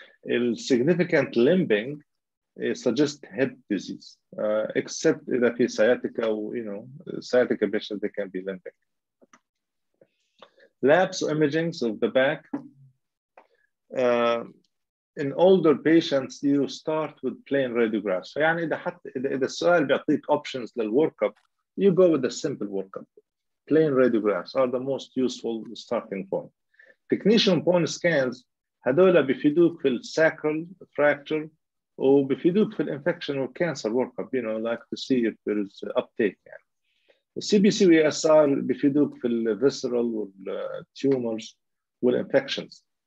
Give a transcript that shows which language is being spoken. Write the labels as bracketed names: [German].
[English] El significant limping suggests hip disease, except if it's sciatica, you know, sciatica patients, they can be limping. Labs or imagings of the back. In older patients, you start with plain radiographs. So, [Arabic] يعني إذا حتى إذا السؤال بيعطيك [English] options للworkup, you go with the simple workup. Plain radiographs are the most useful starting point. Technetium bone scans, [Arabic] هذولا بفيدوك في [English] sacral fracture [Arabic] أو بفيدوك في [English] infection or cancer workup, you know, like to see if there is uptake. Yeah. CBC VSR [Arabic] بفيدوك في [English] visceral tumors or infections.